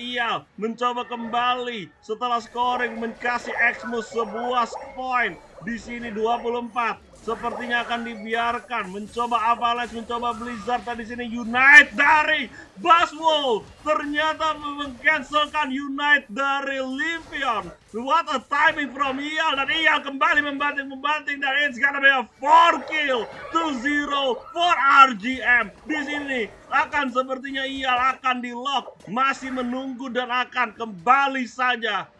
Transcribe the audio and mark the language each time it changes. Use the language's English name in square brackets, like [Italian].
[Indonesian] Iyal mencoba kembali setelah scoring, mengkasih Exmus sebuah point. Di sini 24. Sepertinya akan dibiarkan. Mencoba Avalanche, mencoba Blizzard. Dan di sini Unite dari Buzzwole ternyata mengcancelkan Unite dari Livion. [English] What a timing from Iyal. [Indonesian] Dan Iyal kembali membanting. [English] Dan it's gonna be a 4 kill to 0 for RGM. [Indonesian] Di sini akan sepertinya Iyal akan di lock. Masih menunggu dan akan kembali saja.